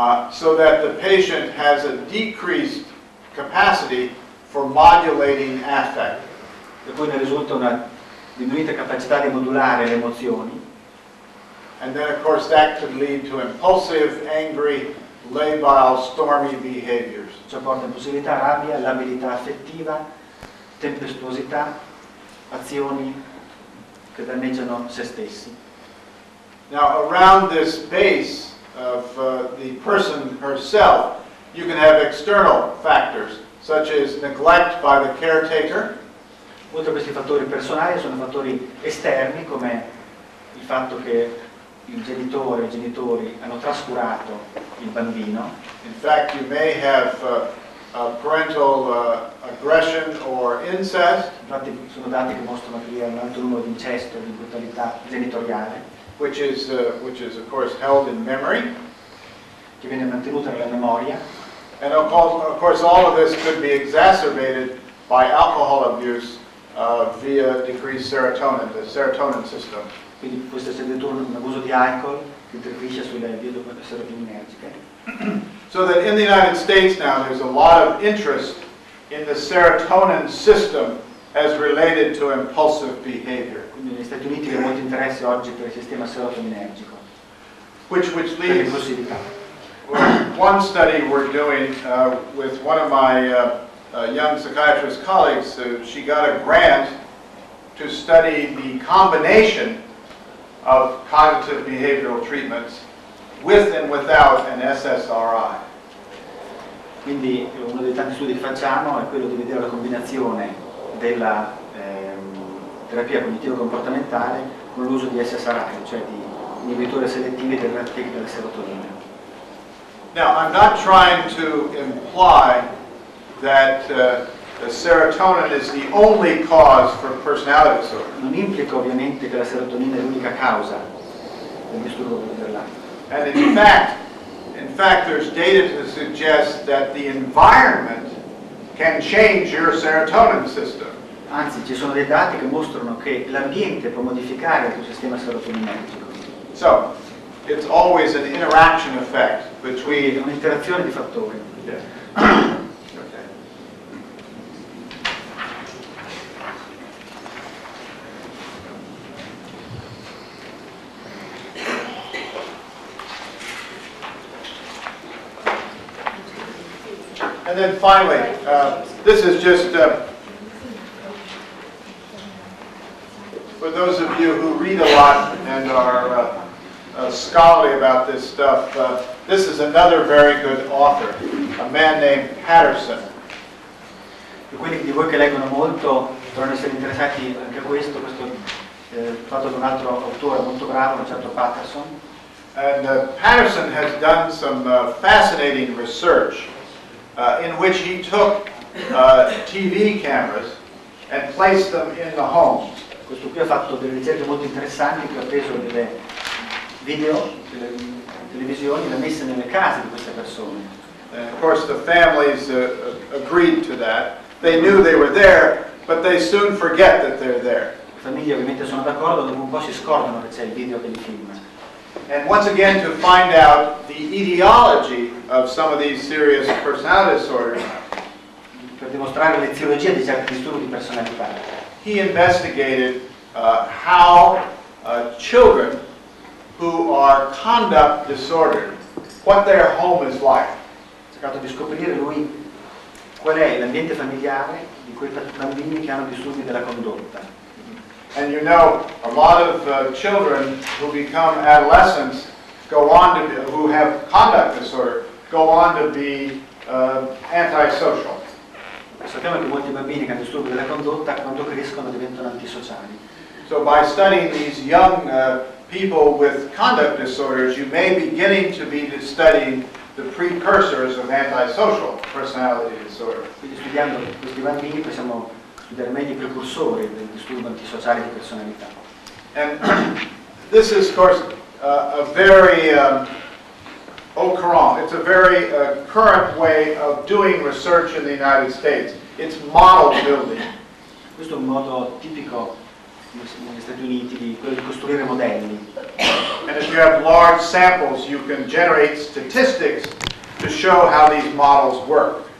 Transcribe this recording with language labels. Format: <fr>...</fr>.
<en>So that the patient has a decreased capacity for modulating affect.</en> <it>E poi ne risulta una diminuita capacità di modulare le emozioni.</it> <en>And then of course that could lead to impulsive, angry, labile, stormy behaviors.</en> <it>Ciò porta impulsività, rabbia, labilità affettiva, tempestuosità, azioni che danneggiano se stessi.</it> <en>Now around this base of the person herself, you can have external factors, such as neglect by the caretaker.</en> <it>Oltre a questi fattori personali sono fattori esterni, come il fatto che il genitore o i genitori hanno trascurato il bambino.</it> <en>In fact, you may have a parental aggression or incest.</en> <it>Infatti sono dati che mostrano che vi è un alto numero di incesto, di brutalità genitoriale.</it> <en>Which is of course held in memory.</en> <it>Che viene mantenuta nella memoria.</it> <en>And of course all of this could be exacerbated by alcohol abuse. Via decreased serotonin, the serotonin system.</en> <it>Quindi questo è un abuso di alcol che interferisce sulle vie serotoninergiche.</it> <en>So that in the United States now there's a lot of interest in the serotonin system as related to impulsive behavior.</en> <it>Quindi negli Stati Uniti c'è molto interesse oggi per il sistema serotoninergico.</it> <en>Which leads one study we're doing with one of my a young psychiatrist colleagues, so she got a grant to study the combination of cognitive behavioral treatments with and without an SSRI.</en> <it>Quindi uno dei tanti studi che facciamo è quello di vedere la combinazione della terapia cognitivo-comportamentale con l'uso di SSRI, cioè di inibitori selettivi della reattività della serotonina.</it> <en>Now, I'm not trying to imply that the serotonin is the only cause for personality disorder.</en> <it>Non implica ovviamente che la serotonina è l'unica causa del disturbo borderline.</it> <en>And in fact, there's data to suggest that the environment can change your serotonin system.</en> <it>anzi ci sono dei dati che mostrano che l'ambiente può modificare il tuo sistema serotoninergico.</it> <en>So, it's always an interaction effect between...</en> <it>un'interazione di fattori.</it> <en>Yeah. And then finally, this is just for those of you who read a lot and are scholarly about this stuff, this is another very good author, a man named Patterson.</en> <it>Per quelli di voi che leggono molto, potranno essere interessati anche a questo, questo fatto da un altro autore molto bravo, certo Patterson.</it> <en>And Patterson has done some fascinating research. In which he took TV cameras and placed them in the homes.</en> <it>Questo qui ha fatto delle ricerche molto interessanti, che ha preso delle video, delle televisioni, le ha messe nelle case di queste persone.</it> <en>And of course the families agreed to that. They knew they were there, but they soon forget that they're there.</en> <it>Le famiglie ovviamente sono d'accordo, dopo un po' si scordano che c'è il video che li filma.</it> <en>And once again, to find out the etiology of some of these serious personality disorders,</en> <it>per dimostrare l'etiologia di certi disturbi di personalità,</it> <en>he investigated how children who are conduct disordered, what their home is like.</en> <it>Cercato di scoprire lui qual è l'ambiente familiare di quei bambini che hanno disturbi della condotta.</it> <en>And you know, a lot of children who become adolescents go on to be, who have conduct disorder, go on to be antisocial.</en> <it>Sappiamo che molti bambini che hanno disturbi della condotta, quando crescono, diventano antisociali.</it> <en>So by studying these young people with conduct disorders, you may be beginning to be studying the precursors of antisocial personality disorder.</en> <it>Quindi studiando questi bambini possiamo studiare meglio i precursori del disturbo antisociale di personalità.</it> <en>And this is, of course, a very au courant. It's a very current way of doing research in the United States. It's model building.</en> <it>Questo è un modo tipico negli Stati Uniti di costruire modelli.</it> <en>And if you have large samples, you can generate statistics to show how these models work.</en>